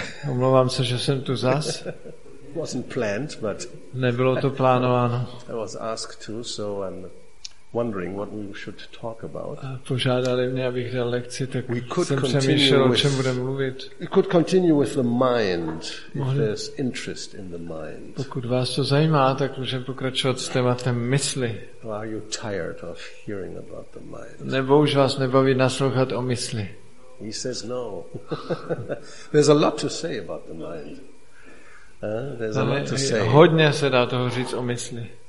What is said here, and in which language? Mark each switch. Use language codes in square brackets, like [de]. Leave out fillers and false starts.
[cs] Omlouvám se, že jsem tu zas. [en] Wasn't planned, but [cs] nebylo to plánováno. [en] I was asked to, so I'm wondering what we should talk about. [cs] Požádali mě, abych dal lekci, tak jsem přemýšlel, o čem budeme mluvit. [en] We could continue with the mind, if there's interest in the mind. [cs] Pokud vás to zajímá, tak můžeme pokračovat s tématem mysli. [en] Are you tired of hearing about the mind? [cs] Nebo už vás nebaví naslouchat o mysli? [en] He says no. There's a lot to say about the mind. There's a lot to say. [cs] Hodně se dá toho říct o mysli.